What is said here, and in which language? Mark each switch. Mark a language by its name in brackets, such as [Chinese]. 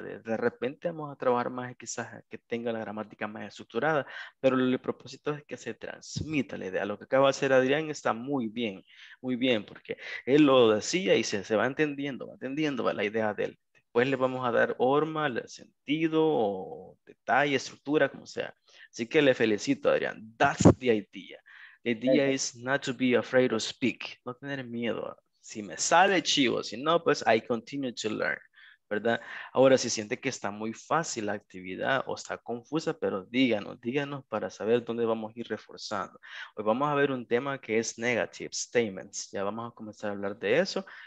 [Spanish] De repente vamos a trabajar más quizás que tenga la gramática más estructurada, pero el propósito es que se transmita la idea. Lo que acaba de hacer Adrián está muy bien, porque él lo decía y se va entendiendo la idea de él. Después le vamos a dar forma, sentido, o detalle, estructura, como sea. Así que le felicito, Adrián. [English] That's the idea. The idea is not to be afraid to speak. [Spanish] No tener miedo. Si me sale chivo, si no, pues [English] I continue to learn. [Spanish] ¿Verdad? Ahora, si siente que está muy fácil la actividad o está confusa, pero díganos para saber dónde vamos a ir reforzando. Hoy vamos a ver un tema que es negative statements. Ya vamos a comenzar a hablar de eso.